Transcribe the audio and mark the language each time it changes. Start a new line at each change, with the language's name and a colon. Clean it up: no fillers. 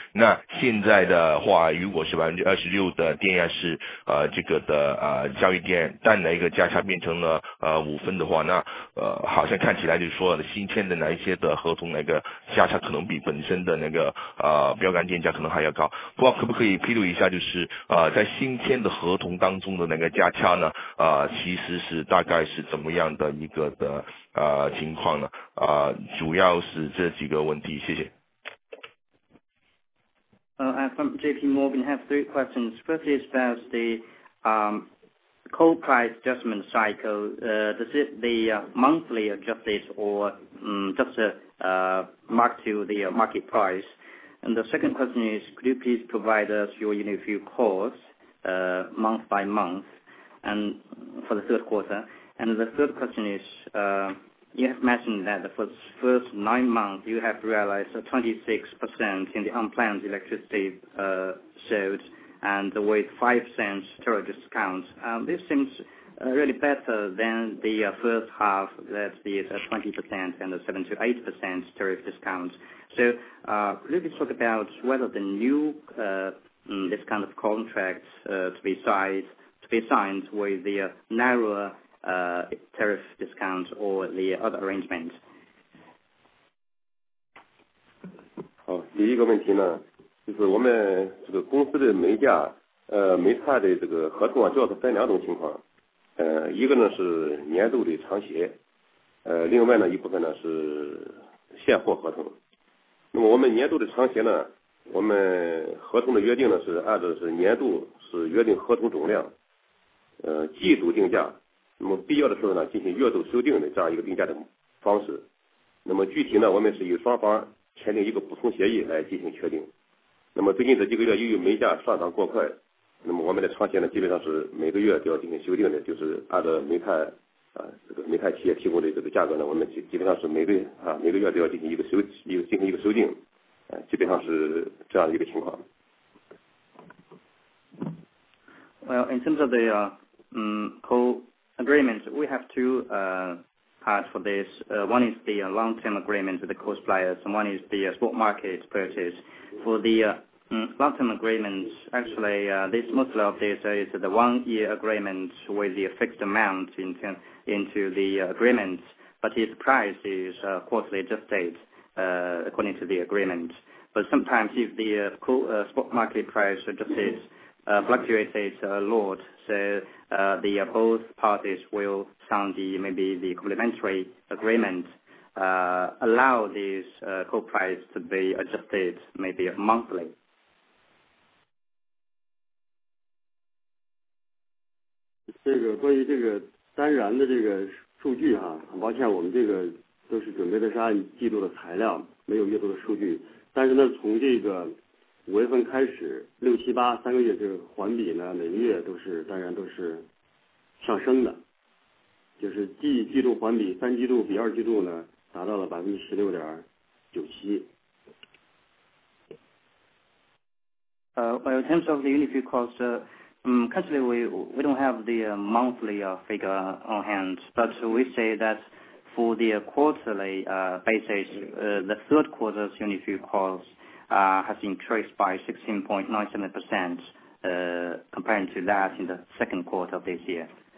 Chinese: 那现在的话，如果是26%的电量是这个的交易电，但那个价差变成了5分的话，那好像看起来就是说新签的那一些的合同那个价差可能比本身的那个标杆电价可能还要高。不过可不可以披露一下，就是在新签的合同当中的那个价差呢？其实是大概是怎么样的一个的情况呢？主要是这几个问题，谢谢。
English: From JP Morgan, have three questions. First is about the coal price adjustment cycle. Does it the monthly adjusted or just marked to the market price? And the second question is, could you please provide us your unit fuel cost? Month by month, and for the third quarter. And the third question is, you have mentioned that the first 9 months you have realized a 26% in the unplanned electricity sold, and with 5 cents total discount. This seems really better than the first half, that is a 20% and a 7-8% tariff discount. So, could we talk about whether the new this kind of contract to be signed with the narrower tariff discount or the other arrangement?
Chinese: 好，第一个问题呢，就是我们这个公司的煤价，煤炭的这个合同啊，主要是分两种情况，一个呢是年度的长协，另外呢一部分呢是现货合同。那么我们年度的长协呢，我们合同的约定呢是按照是年度是约定合同总量，季度定价，那么必要的时候呢进行月度修订的这样一个定价的方式。那么具体呢我们是与双方签订一个补充协议来进行确定。那么最近这几个月由于煤价上涨过快，那么我们的长协呢基本上是每个月都要进行修订的，就是按照煤炭这个煤炭企业提供的这个价格呢，我们基本上是每个月都要进行一个修订。基本上是这样的一个情况。
English: Well, in terms of the coal agreement, we have two parts for this. One is the long-term agreement with the coal suppliers, and one is the spot market purchase. For the long-term agreement, actually, this mostly of this is the one-year agreement with the fixed amount into the agreement, but its price is quarterly adjusted. According to the agreement. But sometimes if the spot market price adjusted fluctuates a lot, so the both parties will sign the complementary agreement, allow this coal price to be adjusted maybe monthly.
Chinese: 这个关于这个单燃的这个数据哈，很抱歉，我们这个都是准备的是按季度的材料，没有月度的数据。但是呢，从这个五月份开始，六七八三个月这个环比呢，每个月都是当然都是上升的，就是季度环比三季度比二季度呢，达到了16.97%。
English: In terms of the unit fuel cost, currently we don't have the monthly figure on hand, but we say that. For the quarterly basis, the third quarter's unit fuel cost has increased by 16.97% compared to that in the second quarter of this year.